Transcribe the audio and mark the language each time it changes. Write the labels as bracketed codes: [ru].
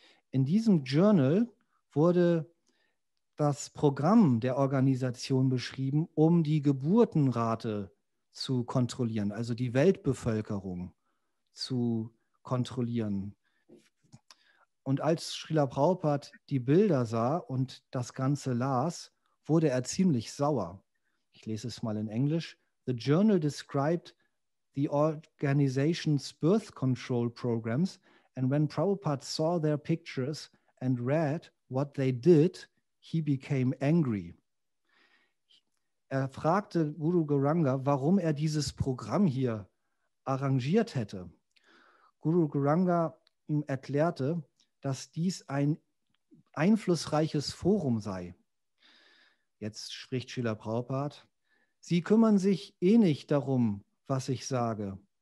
[de] In diesem Journal wurde das Programm der Organisation beschrieben, um die Geburtenrate zu kontrollieren, also die Weltbevölkerung zu kontrollieren. Und als Srila Prabhupada die Bilder sah und das Ganze las, wurde er ziemlich sauer. Ich lese es mal in Englisch. [en] The journal described the organization's birth control programs, and when Prabhupada saw their pictures and read what they did, he became angry. [de] Er fragte Guru Gauranga, warum er dieses Programm hier arrangiert hätte. Guru Gauranga erklärte, dass dies ein einflussreiches Forum sei. Jetzt spricht Srila Prabhupada. Sie kümmern sich eh nicht darum, was ich sage.